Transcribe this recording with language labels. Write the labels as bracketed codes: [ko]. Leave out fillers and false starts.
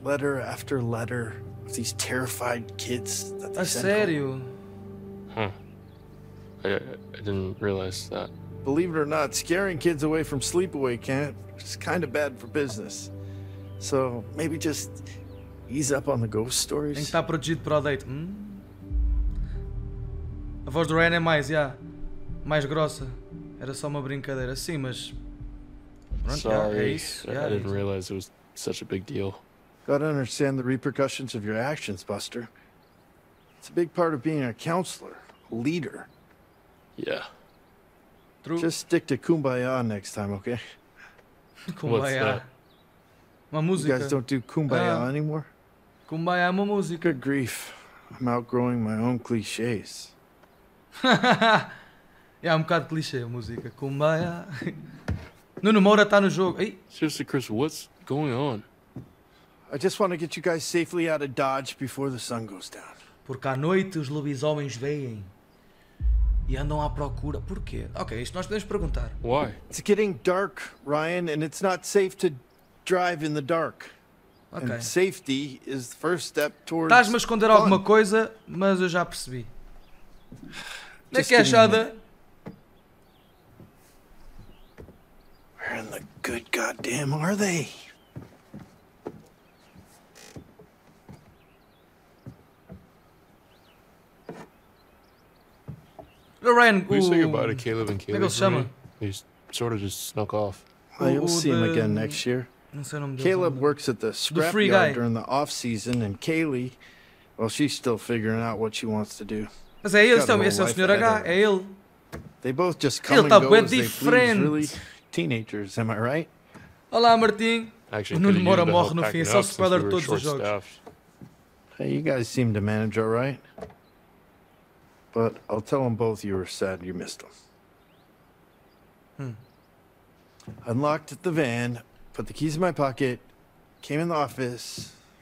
[en] Letter after letter with these terrified kids that they send home. Huh. I didn't realize that. Believe it or not, scaring kids away from sleepaway camp is kind of bad for business. So, maybe just ease up on the ghost stories? [pt] Tem que estar protegido para o date. A voz do Ryan é mais, mais grossa. Era só uma brincadeira. Sim, mas... [en] Sorry, I didn't realize it was such a big deal. Gotta understand the repercussions of your actions, Buster. It's a big part of being a counselor, a leader. Yeah. True. Just stick to Kumbaya next time, okay? [pt] Kumbaya. Uma música. [en] You guys don't do Kumbaya anymore? [pt] Kumbaya, uma música. [en] Good grief. I'm outgrowing my own clichés. [pt] Yeah, um bocado clichê a música. Kumbaya. Nuno Moura está no jogo. Ei. [en] Seriously, Chris, what's going on? I just want to get you guys safely out of Dodge before the sun goes down. [pt] Porque à noite os lobisomens veem e andam à procura. Porquê? Ok, isto nós podemos perguntar. [en] Why? It's getting dark, Ryan, and it's not safe to drive in the dark. Okay. And safety is the first step towards fun. [pt] Estás-me a esconder alguma coisa, mas eu já percebi. Na queixada... [en] Where in the good goddamn are they? Ryan, we say goodbye to Caleb and Caleb. He sort of just snuck off. We'll see him again next year. Caleb works at the scrapyard during the off season, and Kaylee, well, she's still figuring out what she wants to do. [pt] Mas é ele, então, esse é o senhor H, é ele. [en] They both just come and go as they please, really. Teenagers, am I right? [pt] Olá, Martin. O Nuno Moura morre no fim. É só o spoiler de todos os jogos. [en] Hey, you guys seem to manage all right. But I'll tell them both you were sad you missed them. Unlocked the van, put the keys in my pocket, came in the office.